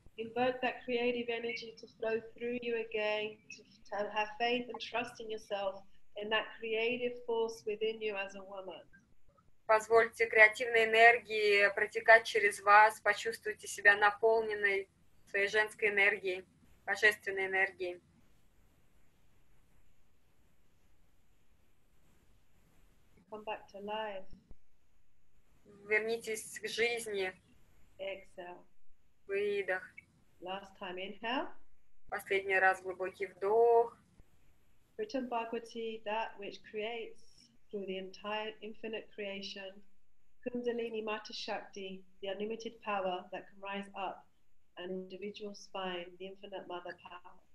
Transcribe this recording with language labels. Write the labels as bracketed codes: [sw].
[en] Invoke that creative energy to flow through you again, to have faith and trust in yourself, in that creative force within you as a woman. [ru] Позвольте креативной энергии протекать через вас, почувствуйте себя наполненной своей женской энергией, божественной энергией. [en] Come back to life. [ru] Вернитесь к жизни. [en] Exhale. [ru] Выдох. [en] Last time, inhale. [ru] Последний раз глубокий вдох. [en] Pritam Bhagavati, that which creates through the entire infinite creation, Kundalini Mata Shakti, the unlimited power that can rise up an individual spine, the infinite mother power.